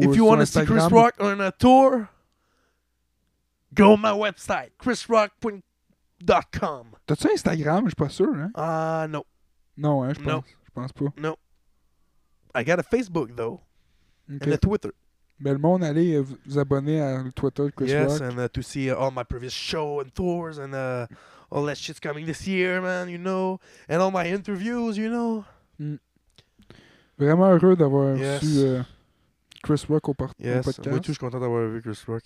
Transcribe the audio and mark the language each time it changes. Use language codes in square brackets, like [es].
[en] if you want to see Chris Rock on a tour, go on my website, chrisrock.com. [fr] T'as-tu Instagram? Je suis pas sûr, hein? [en] Ah, no. [fr] Non, hein, je pense pas. [en] No. I got a Facebook, though. Okay. And a Twitter. [fr] Mais le monde, allez vous abonner à le Twitter de Chris [en] yes, Yes, and to see all my previous show and tours and... all that shit's coming this year, man, you know. And all my interviews, you know. [fr] Vraiment heureux d'avoir reçu Chris Rock au podcast. Yes, moi aussi, je suis content d'avoir vu Chris Rock.